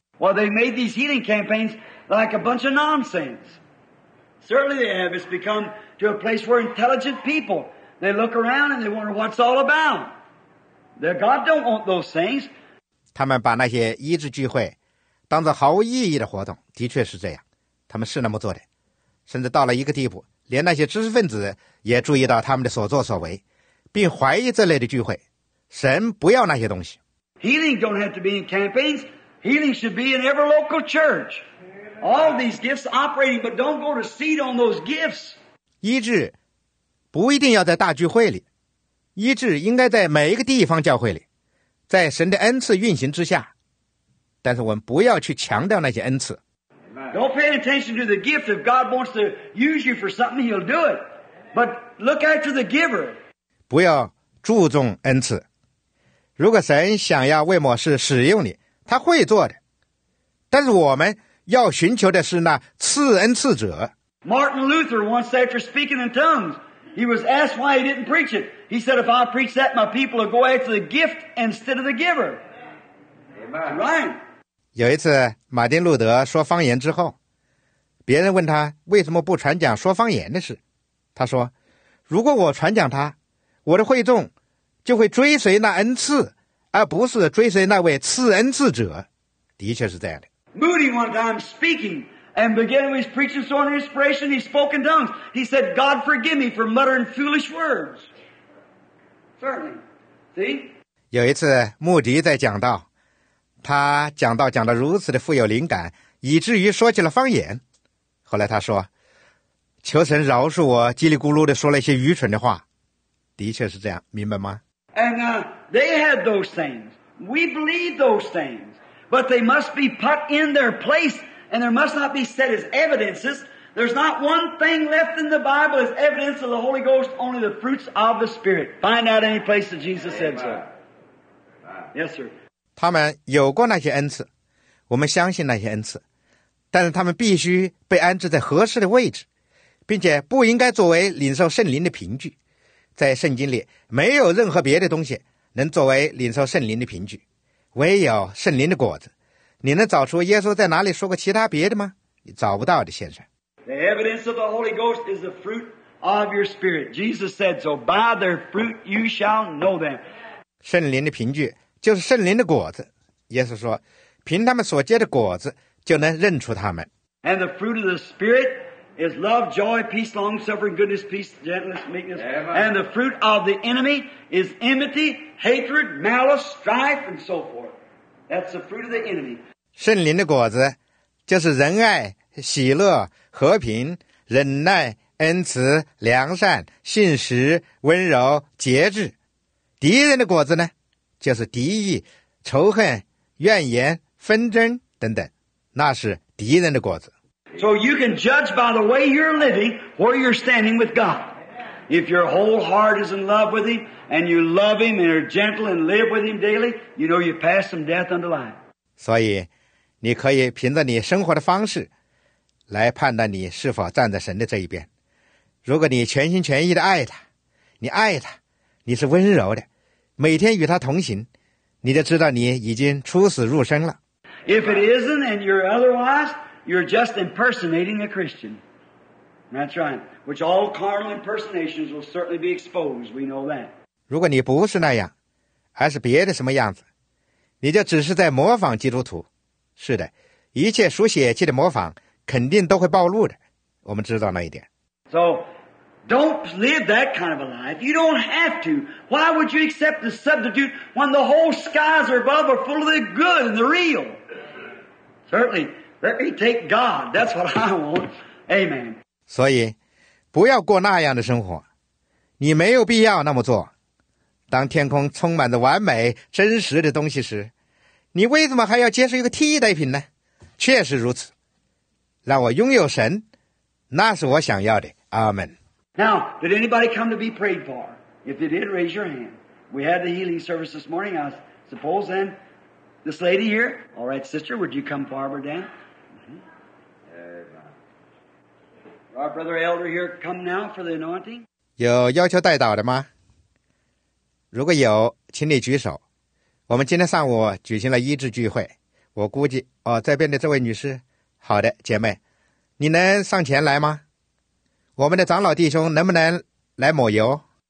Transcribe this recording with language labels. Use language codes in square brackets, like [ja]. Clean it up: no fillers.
[en] Well, they made these healing campaigns like a bunch of nonsense. Certainly they have. It's become... To a place where intelligent people, they look around and they wonder what's all about. Their God don't want those things. [zh] 他们把那些医治聚会当作毫无意义的活动，的确是这样。他们是那么做的，甚至到了一个地步，连那些知识分子也注意到他们的所作所为，并怀疑这类的聚会。神不要那些东西。 [en] Healing don't have to be in campaigns. Healing should be in every local church. All these gifts operating, but don't go to seed on those gifts. [zh] 医治不一定要在大聚会里，医治应该在每一个地方教会里，在神的恩赐运行之下。但是我们不要去强调那些恩赐。 [en] Don't pay attention to the gift. If God wants to use you for something, He'll do it. But look after the giver. [zh] 不要注重恩赐。如果神想要为某事使用你，他会做的。但是我们要寻求的是那赐恩赐者。 [en] Martin Luther once said, after speaking in tongues, he was asked why he didn't preach it. He said, if I preach that, my people will go after the gift instead of the giver. Amen. Right. [zh] 有一次马丁路德说方言之后，别人问他为什么不传讲说方言的事，他说，如果我传讲他，我的会众就会追随那恩赐，而不是追随那位赐恩赐者。的确是这样的。 [en] Moody one time speaking and began his preaching so under inspiration he spoke in tongues. He said, God forgive me for muttering foolish words. Certainly. See? [zh] 有一次穆迪在讲道，他讲道讲得如此的富有灵感，以至于说起了方言。后来他说，求神饶恕我叽里咕噜地说了一些愚蠢的话。的确是这样，明白吗？ [en] And, they had those things. We believe those things. But they must be put in their place, and there must not be set as evidences. There's not one thing left in the Bible as evidence of the Holy Ghost, only the fruits of the Spirit. Find out any place that Jesus said so. Yes, sir. [zh] 他们有过那些恩赐，我们相信那些恩赐，但是他们必须被安置在合适的位置，并且不应该作为领受圣灵的凭据。在圣经里，没有任何别的东西能作为领受圣灵的凭据。唯有圣灵的果子，你能找出耶稣在哪里说过其他别的吗？你找不到的，先生。 [en] The evidence of the Holy Ghost is the fruit of your spirit. Jesus said so. By their fruit you shall know them. [zh] 圣灵的凭据就是圣灵的果子。耶稣说，凭他们所结的果子就能认出他们。 [en] And the fruit of the spirit is love, joy, peace, long-suffering, goodness, peace, gentleness, meekness. And the fruit of the enemy is enmity, hatred, malice, strife, and so forth. That's the fruit of the enemy. [zh] 圣灵的果子就是仁爱、喜乐、和平、忍耐、恩慈、良善、信实、温柔、节制。敌人的果子呢，就是敌意、仇恨、怨言、纷争等等，那是敌人的果子。 [en] So you can judge by the way you're living where you're standing with God. If your whole heart is in love with Him and you love Him and are gentle and live with Him daily, you know you pass from death unto life. [zh] 所以你可以凭着你生活的方式来判断你是否站在神的这一边。如果你全心全意地爱他，你爱他，你是温柔的，每天与他同行，你就知道你已经出死入生了。 [en] If it isn't and you're otherwise,You're just impersonating a Christian. That's right. Which all carnal impersonations will certainly be exposed. We know that. [zh] 如果你不是那样，而是别的什么样子，你就只是在模仿基督徒。是的，一切属血气的模仿肯定都会暴露的。我们知道那一点。 [en] So, don't live that kind of a life. You don't have to. Why would you accept the substitute when the whole skies are above are full of the good and the real? Certainly. Let me take God. That's what I want. Amen. [zh] 所以，不要过那样的生活。你没有必要那么做。当天空充满着完美、真实的东西时，你为什么还要接受一个替代品呢？确实如此。让我拥有神，那是我想要的。 [en] Amen. Now, did anybody come to be prayed for? If they did, raise your hand. We had the healing service this morning. I suppose then... This lady here? All right, sister, would you come forward, Dan? Mm-hmm. Our brother elder here come now for the anointing? [zh] 有要求代祷的吗？如果有，请你举手。我们今天上午举行了医治聚会，我估计，哦，在边的这位女士，好的，姐妹，你能上前来吗？我们的长老弟兄能不能来抹油？